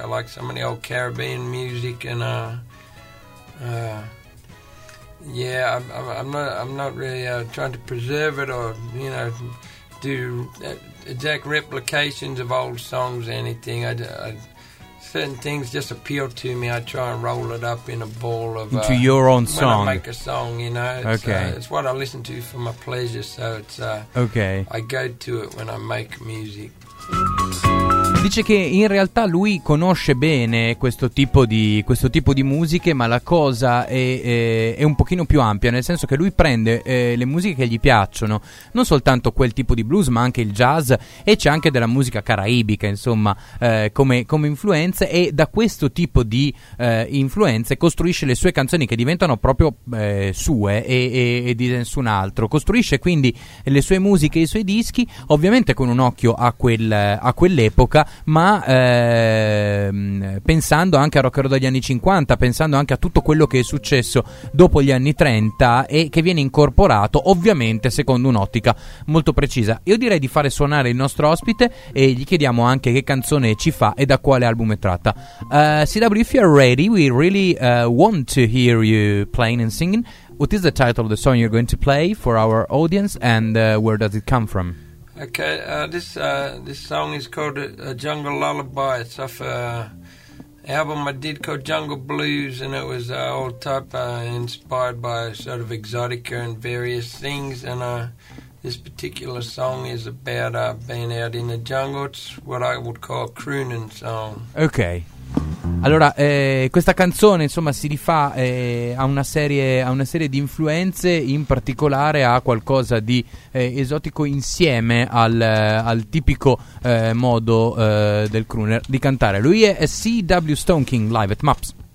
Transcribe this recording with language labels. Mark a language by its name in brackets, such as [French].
[English] I like some of the old Caribbean music and I'm not really trying to preserve it or, you know, do exact replications of old songs or anything. Certain things just appeal to me. I try and roll it up in a ball of... Into your own song. When I make a song, you know. It's, okay. It's what I listen to for my pleasure, so it's... Okay. I go to it when I make music. [Italian] Dice che in realtà lui conosce bene questo tipo di musiche, ma la cosa è un pochino più ampia, nel senso che lui prende le musiche che gli piacciono, non soltanto quel tipo di blues, ma anche il jazz, e c'è anche della musica caraibica, insomma, come influenze, e da questo tipo di influenze costruisce le sue canzoni, che diventano proprio sue e di nessun altro. Costruisce quindi le sue musiche e i suoi dischi, ovviamente con un occhio a quell'epoca, ma pensando anche a Rockero degli anni 50, pensando anche a tutto quello che è successo dopo gli anni 30 e che viene incorporato ovviamente secondo un'ottica molto precisa. Io direi di fare suonare il nostro ospite e gli chiediamo anche che canzone ci fa e da quale album è tratta. [English] CW, if you're ready, we really want to hear you playing and singing. What is the title of the song you're going to play for our audience, and where does it come from? Okay, this song is called a Jungle Lullaby. It's off an album I did called Jungle Blues, and it was all type inspired by sort of exotica and various things. And this particular song is about being out in the jungle. It's what I would call a crooning song. Okay. [Italian] Allora, questa canzone, insomma, si rifà a una serie di influenze, in particolare a qualcosa di esotico, insieme al tipico modo del crooner di cantare. Lui è C.W. Stone King, live at MAPS.